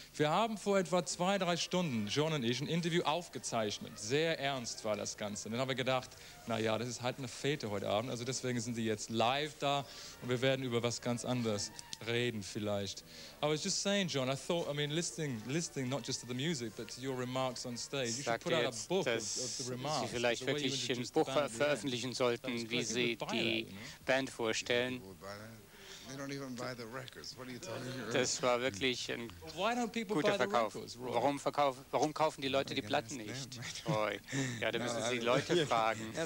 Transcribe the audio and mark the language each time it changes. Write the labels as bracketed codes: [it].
[de] Wir haben vor etwa 2-3 Stunden, John und ich, ein Interview aufgezeichnet. Sehr ernst war das Ganze. Und dann haben wir gedacht, naja, das ist halt eine Fete heute Abend. Also deswegen sind sie jetzt live da und wir werden über was ganz anderes reden vielleicht. [en] I was just saying, John, I thought, I mean, listening not just to the music, but to your remarks on stage, you should put out a book of the remarks. [de] Sie vielleicht wirklich ein Buch veröffentlichen sollten, wie sie die Band vorstellen. [en] They don't even buy the records. What are you talking about? [de] Das war wirklich ein guter Verkauf. Warum kaufen die Leute die Platten nicht? Ja, da müssen sie die Leute fragen.